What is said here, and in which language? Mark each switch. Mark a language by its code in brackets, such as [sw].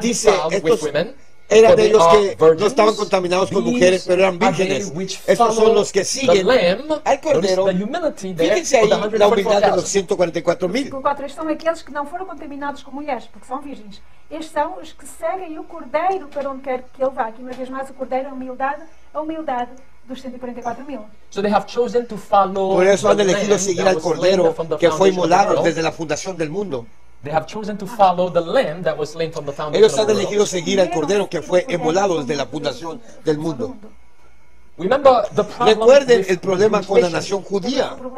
[es] Dice, estos eran de ellos que no estaban contaminados con mujeres, pero eran vírgenes. Estos son los que siguen al cordero. Fíjense ahí la humildad de los 144,000. Estos son aquellos que no fueron contaminados con mujeres, porque son vírgenes. [pt] Estes são os que seguem o cordeiro para onde quer que ele vá. Aqui, uma vez mais, o cordeiro é a humildade dos 144,000. [en] So they have chosen to follow. [pt] Por isso, [es] han elegido seguir al [pt] cordeiro que foi imolado desde a fundação do mundo. [en] They have chosen to follow the lamb that was slain from the foundation. [es] Ellos han elegido seguir al cordero que fue inmolado desde la fundación del mundo. [en] Remember the problem. [es] Recuerden el problema con la nación judía.